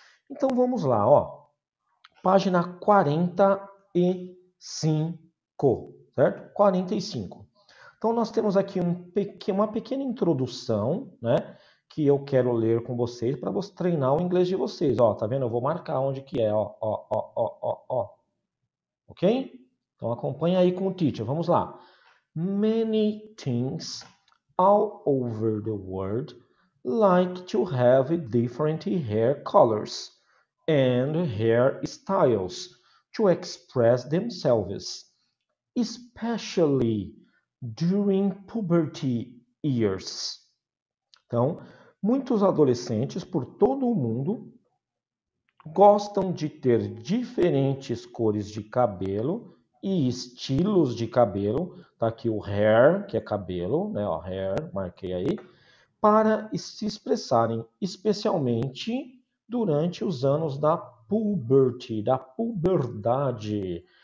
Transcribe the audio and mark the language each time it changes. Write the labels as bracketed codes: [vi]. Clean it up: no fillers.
[pt] Então, vamos lá, ó. Página 45, certo? 45. Então, nós temos aqui uma pequena introdução, né? Que eu quero ler com vocês para vocês treinar o inglês de vocês. Ó, tá vendo? Eu vou marcar onde que é, ó, ó, ó, ó, ó, ó. Ok? Então, acompanha aí com o teacher. Vamos lá. [en] Many things all over the world like to have different hair colors and hair styles to express themselves, especially during puberty years. [pt] Então, muitos adolescentes por todo o mundo gostam de ter diferentes cores de cabelo e estilos de cabelo, tá aqui o hair, que é cabelo, né? Ó, hair, marquei aí, para se expressarem, especialmente durante os anos da puberty, da puberdade.